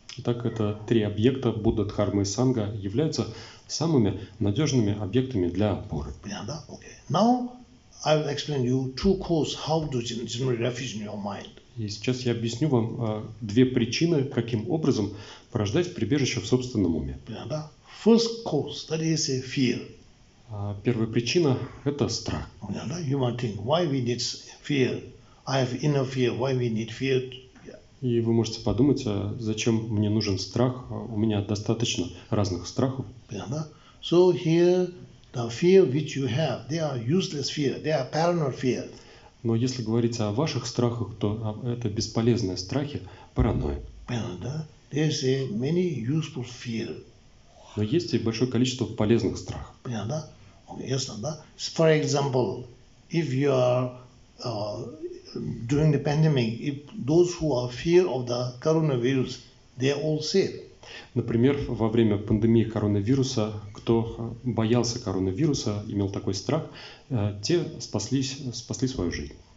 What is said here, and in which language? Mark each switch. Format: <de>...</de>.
<ru>Итак, это три объекта: Будда, Дхарма и Сангха являются самыми надежными объектами для опоры. Понятно? Yeah, okay.</ru> <en>Now I will explain you two causes how to generate refuge in your mind.</en> <ru>И сейчас я объясню вам две причины, каким образом порождать прибежище в собственном уме.</ru> <en>Yeah,</en> <ru>да?</ru> <en>First cause, that is a fear.</en> <ru>Первая причина – это страх.</ru> <en>Yeah,</en> <ru>да?</ru> <en>You might think, why we need fear? I have inner fear, why we need fear?</en> <ru>И вы можете подумать, зачем мне нужен страх? У меня достаточно разных страхов. Yeah, да?</ru> <en>So here the fear which you have, they are useless fear, they are paranoid fear.</en> <ru>Но если говорить о ваших страхах, то это бесполезные страхи, паранойя. Да?</ru> <en>There's a many useful fear.</en> <ru>Но есть и большое количество полезных страхов. Понятно, да? Ясно, да?</ru> <en>For example, if you are during the pandemic, if those who are fear of the coronavirus, they are all safe.</en> <ru>Например, во время пандемии коронавируса, кто боялся коронавируса, имел такой страх, те спасли свою жизнь.</ru>